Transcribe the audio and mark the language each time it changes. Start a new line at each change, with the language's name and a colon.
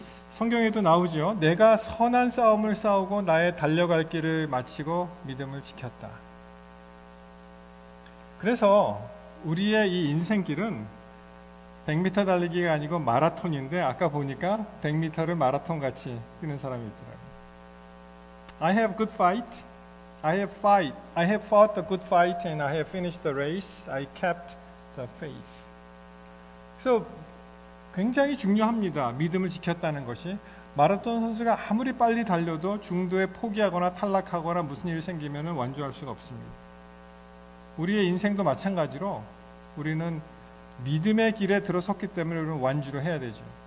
Korean: 성경에도 나오죠. 내가 선한 싸움을 싸우고 나의 달려갈 길을 마치고 믿음을 지켰다. 그래서 우리의 이 인생길은 100m 달리기가 아니고 마라톤인데 아까 보니까 100m를 마라톤같이 뛰는 사람이 있더라고요.
English: I have good fight. I have fought the good fight and I have finished the race. I kept the faith.
Korean: 그래서 굉장히 중요합니다. 믿음을 지켰다는 것이. 마라톤 선수가 아무리 빨리 달려도 중도에 포기하거나 탈락하거나 무슨 일이 생기면 완주할 수가 없습니다. 우리의 인생도 마찬가지로 우리는 믿음의 길에 들어섰기 때문에 우리는 완주를 해야 되죠.